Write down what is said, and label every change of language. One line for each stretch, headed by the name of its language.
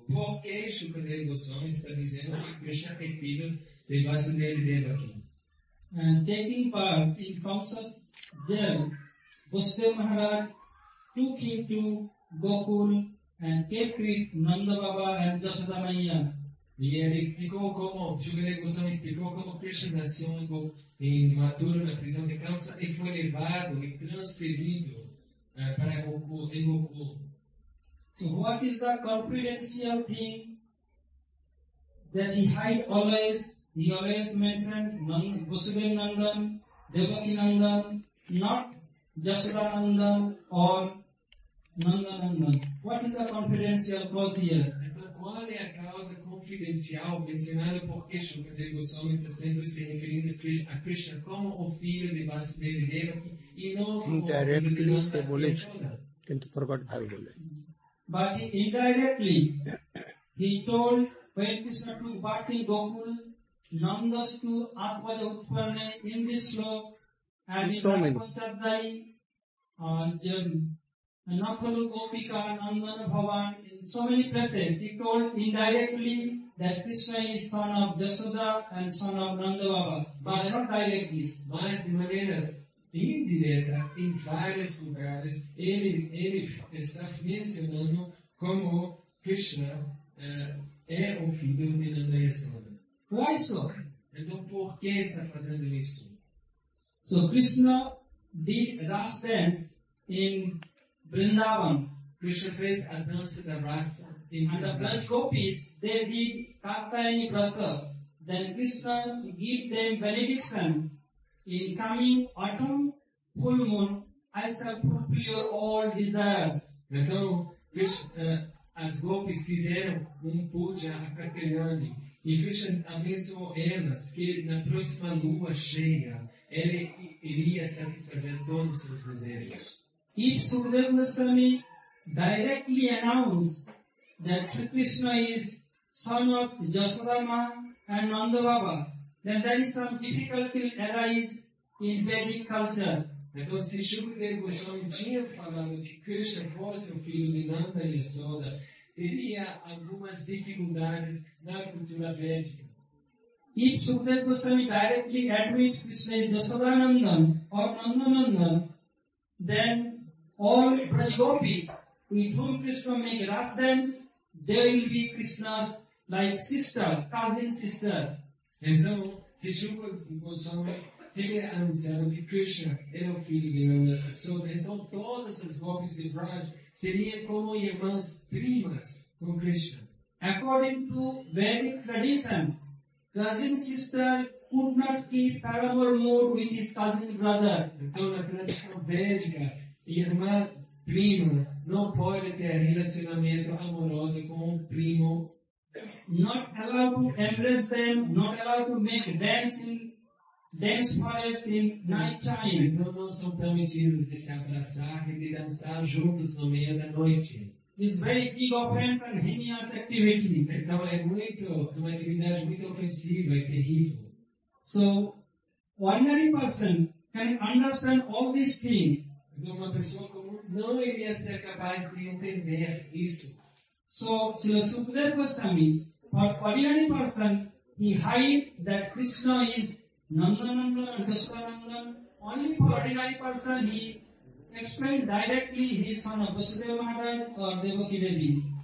Portuguese: Por que Sukadeva Goswami está dizendo que Krishna é filho de Vasudeva Devaki?
English: And taking part in Kamsa's jail, Vasudeva Maharaj took him to Gokul and kept with Nanda Baba and Yashoda Maiya.
Portuguese: E ele explicou como, Sukadeva Goswami explicou como Krishna nasceu em Mathura, na prisão de Kamsa, e foi levado e transferido para Gokul, em Gokul.
English: So what is the confidential thing that he hide always? He always mentioned Vasudeva Nandan, Devaki Nandan, not Yashoda Nandan or Nanda Nandan. What is the confidential cause here?
Portuguese: Então, qual é a causa confidencial mencionada por que Sukadeva Goswami está sempre se referindo a Krishna como o filho de Vasudeva Devaki e não como
English: indirectly
Portuguese: o filho de Nanda Yashoda.
English: But indirectly, he told when Krishna took Bhakti Gokul, Nandas to Atvaja Utpanna in this slope, And in so many.
Sanskrit: Nakhalu Gopika Nandana Bhavan,
English: in so many places, he told indirectly that Krishna is son of Yashoda and son of Nanda Baba, but not directly.
Portuguese: Mas de maneira indireta,
English: in various
Portuguese: lugares, ele está mencionando como Krishna é o filho de Nanda Yashoda.
English: Why so?
Portuguese: Então por que está fazendo isso?
English: So Krishna did rasa dance in Vrindavan.
Portuguese: Krishna fez a dança da rasa.
English: And the Braj Gopis, they did Katayani Vrata. Then Krishna gave them benediction in coming autumn full moon. I shall fulfill your all desires.
Portuguese: Então, as Gopis fizeram puja a Katayani. E Krishna abençoou elas que na próxima lua cheia ele iria satisfazer todos os seus desejos.
English: If Sukadeva Goswami directly announced that Sri Krishna is son of Yashodama and Nanda Baba, then there is some difficulty arise in Vedic culture.
Portuguese: Então, se Sukadeva Goswami tinha falado que Krishna fosse o filho de Nanda e Yashoda, teria algumas dificuldades na cultura védica.
English: If Sukadeva Goswami directly admit Krishna is Yashodanandan or Nandanandan, then all Prajgopis with whom Krishna make ras dance, they will be Krishna's like sister, cousin sister.
Portuguese: Então, se Shukra Goswami tiver anunciado que Krishna era o filho de Nanda Yashoda, então todas as Gopis de Braj seriam como irmãs primas com Krishna.
English: According to Vedic tradition, cousin sister could not keep paramour more with his cousin brother.
Portuguese: Então, na tradição védica, irmã prima não pode ter relacionamento amoroso com um primo.
English: Not allowed to embrace them, not allowed to make dance forest in night time.
Portuguese: Então não são permitidos de se abraçar e de dançar juntos no meio da noite.
English: It's very big offense and heinous activity.
Portuguese: Então é muito, uma atividade muito ofensiva e terrível.
English: So, ordinary person can understand all these things.
Portuguese: Então, uma pessoa comum não iria ser capaz de entender isso.
English: So,
Portuguese: se o
English: Sukadeva Goswami, for ordinary person, he hide that Krishna is Nandanandan and Yashodanandan, only for ordinary person, he explained directly he is son of Vasudeva Maharaj or Devaki Devi.